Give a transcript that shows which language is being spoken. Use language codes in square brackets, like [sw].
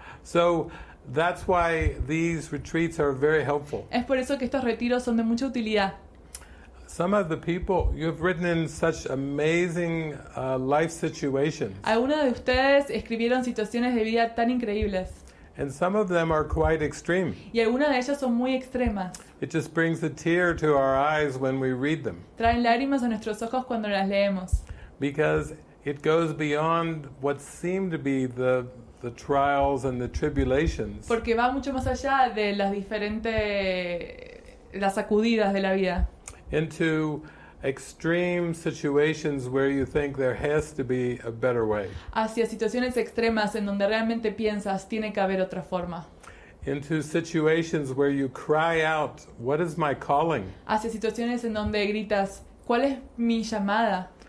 [en] So that's why these retreats are very helpful. [es] Es por eso que estos retiros son de mucha utilidad. [en] Some of the people you've written in such amazing life situations. [es] Algunos de ustedes escribieron situaciones de vida tan increíbles. [en] And some of them are quite extreme. [es] Y algunas de ellas son muy extremas. [en] It just brings a tear to our eyes when we read them. [es] Traen lágrimas a nuestros ojos cuando las leemos. [en] Because it goes beyond what seem to be the trials and the tribulations. [es] Porque va mucho más allá de las diferentes las sacudidas de la vida. [en] Into extreme situations where you think there has to be a better way. [es] Hacia situaciones extremas en donde realmente piensas tiene que haber otra forma. [en] Into situations where you cry out, "What is my calling?" [es] Hacia situaciones en donde gritas, "¿Cuál es mi llamada?"